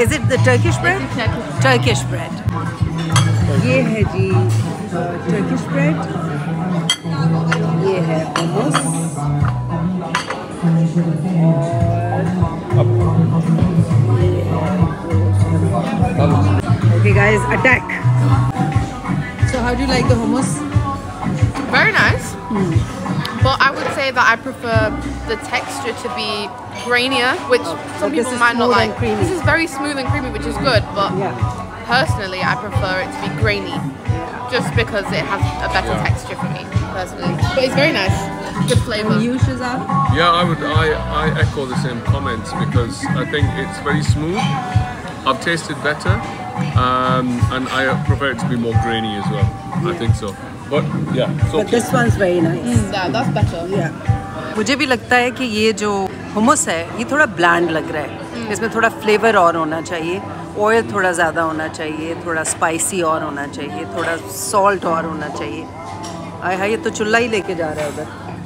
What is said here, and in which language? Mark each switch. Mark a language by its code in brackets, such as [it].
[en] Is it the Turkish bread? [hi] Turkish bread ये है जी, Turkish bread ये है, [en] Hummus और okay guys attack. So how do you like the hummus? Very nice, but I would say that I prefer the texture to be grainier, which some people might not like. This is very smooth and creamy, which is good, but yeah. Personally I prefer it to be grainy. just because it has a better texture for me personally. But it's very nice. The flavor. And you, Shazam? Yeah, I echo the same comments because I think it's very smooth. I've tasted better, and I prefer it to be more grainy as well. Yeah. I think so. But yeah. So but this one's very nice. Mm. Yeah, that's better. Yeah. [hi] मुझे भी लगता है कि ये जो hummus है, ये थोड़ा bland लग रहा है. इसमें थोड़ा flavor और होना चाहिए. Oil थोड़ा ज़्यादा होना चाहिए. थोड़ा spicy और होना चाहिए. थोड़ा salt और होना चाहिए. आई हाँ ये तो चुल्ला ही लेके जा रहा है उधर.